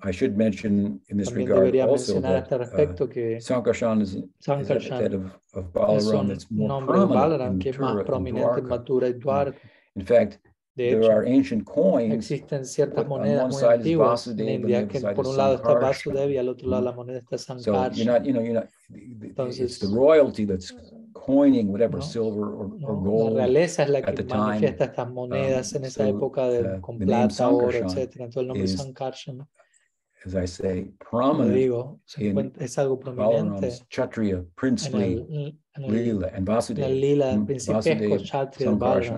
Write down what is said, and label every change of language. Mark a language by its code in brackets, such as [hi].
[es] Debería mencionar a este respecto que Sankarsana es un nombre de Balaram que es más prominente en Mathura y Dwarka. [en] In fact, there are ancient coins. [es] Existen ciertas monedas muy antiguas en India que por un lado está Vasudeva y al otro lado la moneda está Sankarsana. Entonces, [en] it's the royalty that's coining whatever silver or gold. [es] La realeza es la que manifiesta estas monedas en esa época de con plata, oro, etcétera. Entonces el nombre Sankarsana, [en] as I say, prominent. [es] Digo, es algo prominente. [en] Kshatriya, princely. Lila and Vasudeva. [es] La lila principesco, Kshatriya, Balaram.